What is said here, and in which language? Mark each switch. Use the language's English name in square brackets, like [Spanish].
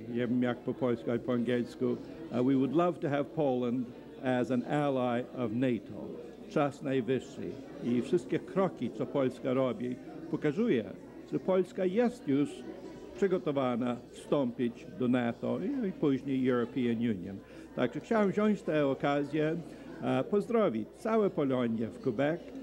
[Polish] Nie wiem jak po polsku, ale po angielsku. [English] We would love to have Poland as an ally of NATO. [Polish] Czas najwyższy. I wszystkie kroki, co Polska robi, pokazuje, że Polska jest już przygotowana wstąpić do NATO i później European Union. Także chciałem wziąć tę okazję, pozdrowić całe Polonię w Quebec.